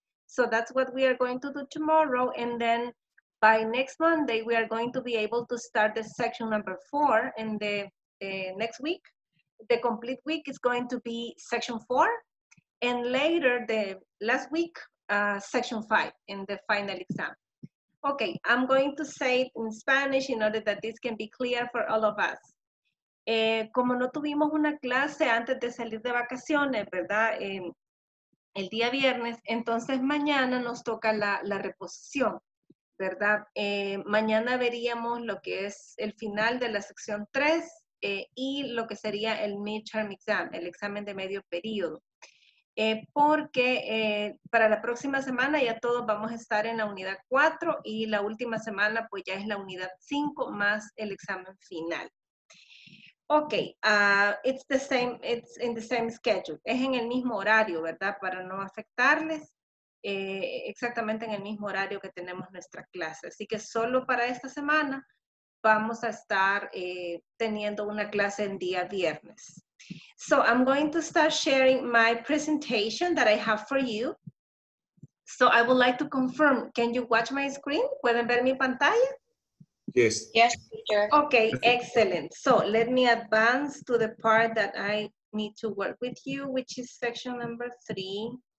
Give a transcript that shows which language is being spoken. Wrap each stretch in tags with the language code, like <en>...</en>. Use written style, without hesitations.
<en>So that's what we are going to do tomorrow, and then by next Monday, we are going to be able to start the section number four, and the next week, the complete week is going to be section four, and later, the last week, section five in the final exam. Okay, I'm going to say it in Spanish in order that this can be clear for all of us.</en> <es>Como no tuvimos una clase antes de salir de vacaciones, ¿verdad? El día viernes, entonces mañana nos toca la reposición, ¿verdad? Mañana veríamos lo que es el final de la sección 3 y lo que sería el midterm exam, el examen de medio periodo. Porque para la próxima semana ya todos vamos a estar en la unidad 4 y la última semana pues ya es la unidad 5 más el examen final.</es> <en>Ok, it's in the same schedule.</en> <es>Es en el mismo horario, ¿verdad? Para no afectarles, exactamente en el mismo horario que tenemos nuestra clase. Así que solo para esta semana vamos a estar teniendo una clase en día viernes.</es> <en>So I'm going to start sharing my presentation that I have for you. So I would like to confirm, can you watch my screen?</en> <es>¿Pueden ver mi pantalla?</es> <en>Yes. Yes, teacher. Okay, excellent. So let me advance to the part that I need to work with you, which is section number three.</en>